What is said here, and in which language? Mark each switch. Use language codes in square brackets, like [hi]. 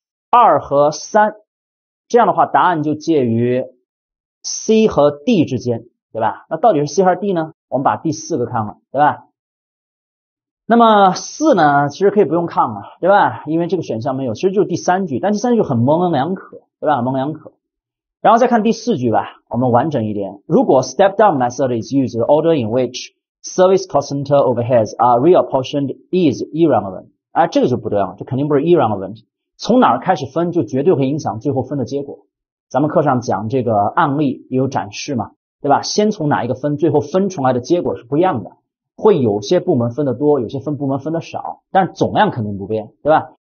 [zh] 二和三，这样的话答案就介于C 和 D 之间，对吧？那到底是 C 还是 D 呢？我们把第四个看了，对吧？那么四呢，其实可以不用看了，对吧？因为这个选项没有，其实就是第三句，但第三句很模棱两可，对吧？模棱两可。然后再看第四句吧，我们完整一点。如果 [en] step down method is used, the order in which service cost center overheads are reapportioned is irrelevant。 [zh] 哎，这个就不对了，这肯定不是 irrelevant。从哪儿开始分，就绝对会影响最后分的结果。咱们课上讲这个案例也有展示嘛，对吧？先从哪一个分，最后分出来的结果是不一样的，会有些部门分得多，有些分部门分得少，但总量肯定不变，对吧？